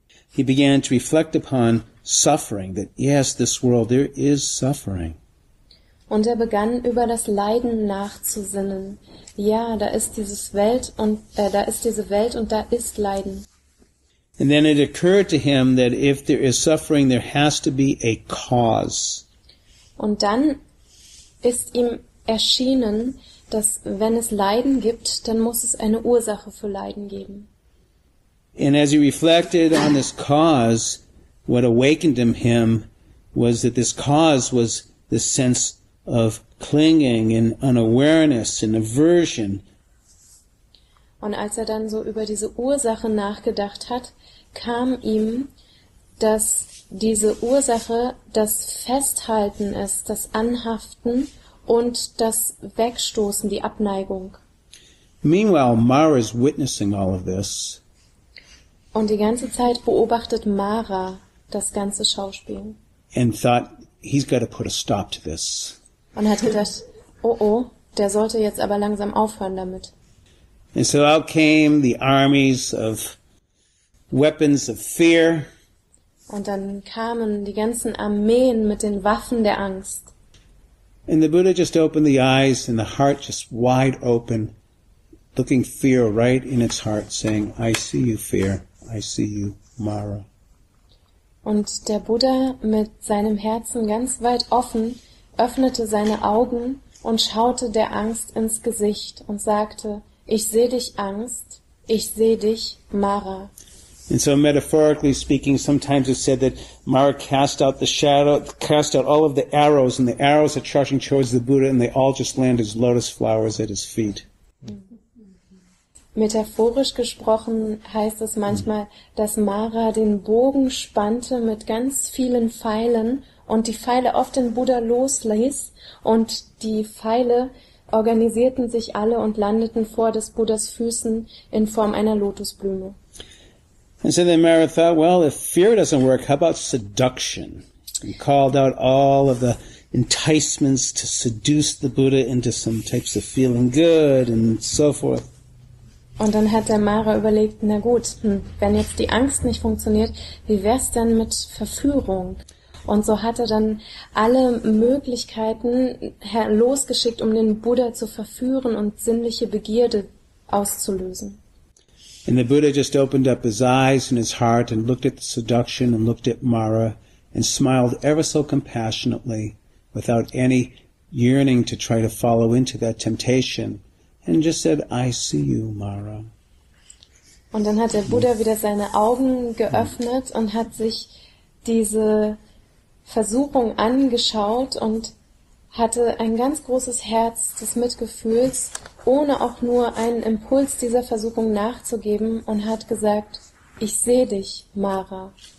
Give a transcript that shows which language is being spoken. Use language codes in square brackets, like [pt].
[en] He began to reflect upon suffering, that yes, this world, there is suffering. [de] Und er begann über das Leiden nachzusinnen. Ja, da ist dieses Welt und da ist diese Welt und da ist Leiden. [en] And then it occurred to him that if there is suffering, there has to be a cause. [de] Und dann ist ihm erschienen, dass wenn es Leiden gibt, dann muss es eine Ursache für Leiden geben. [en] And as he reflected on this cause, what awakened in him was that this cause was the sense of clinging and unawareness and aversion. [de] Und als er dann so über diese Ursache nachgedacht hat, kam ihm, dass diese Ursache das Festhalten ist, das Anhaften und das Wegstoßen, die Abneigung. [en] Meanwhile, Mara is witnessing all of this. [de] Und die ganze Zeit beobachtet Mara das ganze Schauspiel. [en] And thought, he's got to put a stop to this. [de] Und hat gedacht, oh oh, der sollte jetzt aber langsam aufhören damit. [en] And so out came the armies of weapons of fear. [de] Und dann kamen die ganzen Armeen mit den Waffen der Angst. [en] And the Buddha just opened the eyes and the heart just wide open, looking fear right in its heart, saying, I see you, fear. I see you, Mara. [de] Und der Buddha mit seinem Herzen ganz weit offen öffnete seine Augen und schaute der Angst ins Gesicht und sagte, ich sehe dich, Angst, ich sehe dich, Mara. [en] And so metaphorically speaking, sometimes it's said that Mara cast out the shadow, cast out all of the arrows, and the arrows are charging towards the Buddha, and they all just land as lotus flowers at his feet. [de] Metaphorisch gesprochen heißt es manchmal, dass Mara den Bogen spannte mit ganz vielen Pfeilen und die Pfeile auf den Buddha losließ und die Pfeile organisierten sich alle und landeten vor des Buddhas Füßen in Form einer Lotusblume. [en] And so then Mara thought, well, if fear doesn't work, how about seduction? He called out all of the enticements to seduce the Buddha into some types of feeling good and so forth. [de] Und dann hat der Mara überlegt, na gut, wenn jetzt die Angst nicht funktioniert, wie wär's denn mit Verführung? Und so hat er dann alle Möglichkeiten losgeschickt, um den Buddha zu verführen und sinnliche Begierde auszulösen. [en] And the Buddha just opened up his eyes and his heart and looked at the seduction and looked at Mara and smiled ever so compassionately without any yearning to try to follow into that temptation. And just said, I see you, Mara. [de] Und dann hat der Buddha wieder seine Augen geöffnet und hat sich diese Versuchung angeschaut und hatte ein ganz großes Herz des Mitgefühls, ohne auch nur einen Impuls dieser Versuchung nachzugeben, und hat gesagt: Ich sehe dich, Mara.